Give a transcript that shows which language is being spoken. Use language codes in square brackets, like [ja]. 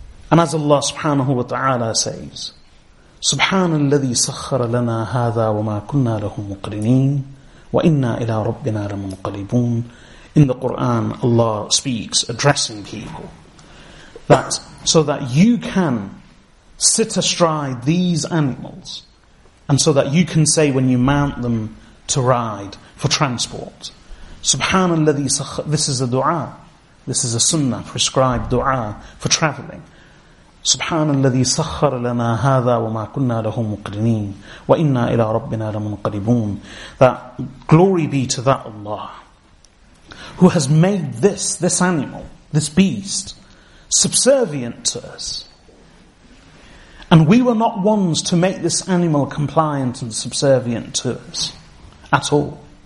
[en] And as Allah subhanahu wa ta'ala says, [ar] سبحان الذي سخر لنا هذا وما كنا له مقرنين وإنا إلى ربنا لمنقلبون. [en] In the Quran, Allah speaks, addressing people, that so that you can sit astride these animals, and so that you can say when you mount them to ride for transport, [ar] سبحان الذي سخر. [en] This is a dua. This is a sunnah, prescribed dua for traveling. [ar] سبحان الذي سخر لنا هذا وما كنا له مقرنين وإنا إلى ربنا لمنقلبون. [en] That glory be to that Allah who has made this animal, this beast, subservient to us. And we were not ones to make this animal compliant and subservient to us at all.